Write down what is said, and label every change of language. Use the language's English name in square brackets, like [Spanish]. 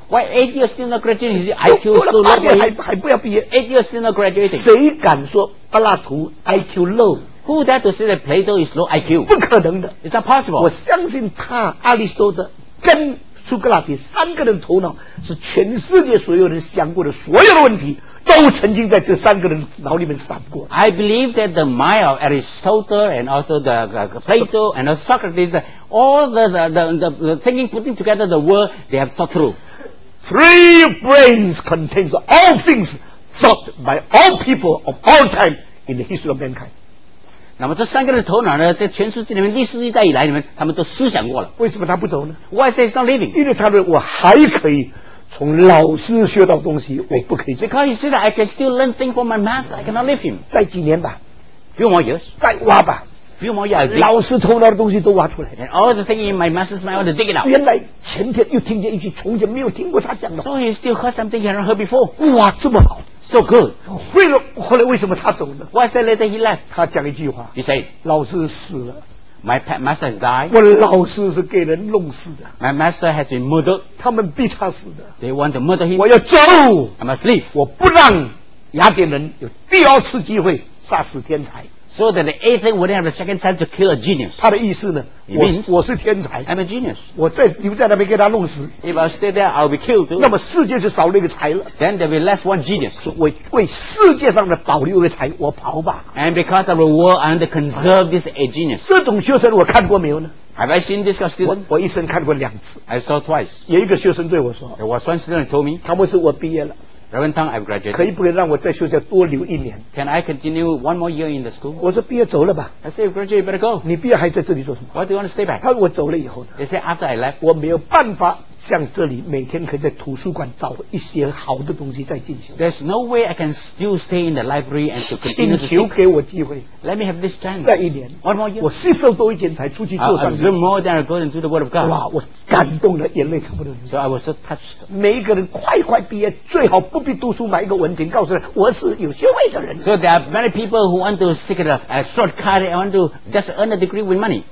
[English] Why 8 years still not graduating? His IQ so low. [Chinese] 读了八年还不要毕业 [English] ？8 years still not graduating. [Chinese] 谁敢说柏拉图 [English] IQ low？ Who dare to say that Plato is low IQ? [Chinese] 不可能的 [English] ，It's not possible. [Chinese] 我相信他，阿里士多德跟苏格拉底三个人头脑是全世界所有人想过的所有的问题，都曾经在这三个人脑里面闪过。 [English] I believe that the mind of Aristotle and also the Plato and also Socrates, all the thinking putting together the world, they have thought through. Three brains contains all things thought by all people of all time in the history of mankind. [Chinese] 那么这三个人的头脑呢，在全世界里面历世历代以来里面，他们都思想过了。为什么他不走呢 [English] ？Why is he not leaving？ [Chinese] 因为他说我还可以从老师学到东西，我不可以。 [English] Because he said I can still learn things from my master, I cannot leave him。 [Chinese] 再几年吧 [English] ，few more years。 [Chinese] 再挖吧 [English] ，few more years。 [Chinese] 老师头脑的东西都挖出来。 [English] And all the things in my master's mind, I want to dig it out。 [Chinese] 原来前天又听见一句从前没有听过他讲的。 [English] So he still heard something he hadn't heard before。 [Chinese] 哇，这么好。 [English] So good. [Chinese] 为了后来为什么他走呢 [English] ？Why said later he left? [Chinese] 他讲一句话。 [English] He said, [Chinese] 老师死了。 [English] My master has died. [Chinese] 我老师是给人弄死的。 [English] My master has been murdered. [Chinese] 他们逼他死的。 [English] They want to murder him. [Chinese] 我要走。 [English] I must leave. [Chinese] 我不让雅典人有第二次机会杀死天才。 [English] So that the atheist wouldn't have a second chance to kill a genius. [Chinese] 他的意思呢？ [English] Means, [Chinese] 我是天才。 [English] I'm a genius. [Chinese] 我在你们在那边给他弄死。 [English] If I stay there, I'll be killed too. [Chinese] 那么世界就少了一个才了。 [English] Then there will be less one genius. [Chinese] 为世界上的保留一个才，我跑吧。 [English] And because of the war, I'm to conserve this a genius. [Chinese] 这种学生我看过没有呢？ [English] Have I seen this student? [Chinese] 我一生看过两次。 [English] I saw twice. [Chinese] 有一个学生对我说。 [English] There was one student told me. [Chinese] 他们说我毕业了。 [English] Reverend Tang, I've graduated. [Chinese] 可以不可以让我在学校多留一年？ [English] Can I continue one more year in the school? [Chinese] 我说毕业走了吧。 [English] I say, graduate, you better go. [Chinese] 你毕业还在这里做什么？ [English] Why do you want to stay back? [Chinese] 他说我走了以后呢？ [English] They say, after I left. [Chinese] 我没有办法像这里每天可以在图书馆找一些好的东西在进修。 [English] There's no way I can still stay in the library and to continue to [Chinese] seek. 请求给我机会。 [English] Let me have this chance. [Chinese] 再一年。 [English] One more year. [Chinese] 我吸收多一点才出去做上 [English] 帝。I'll more than go into the word of God. [Chinese] 哇，我感动的眼泪差不多流。 [English] So I was so touched. [Chinese] 每一个人快快毕业，最好不必读书，买一个文凭，告诉他我是有学位的人。 [English] So there are many people who want to seek a shortcut and want to just earn a degree with money.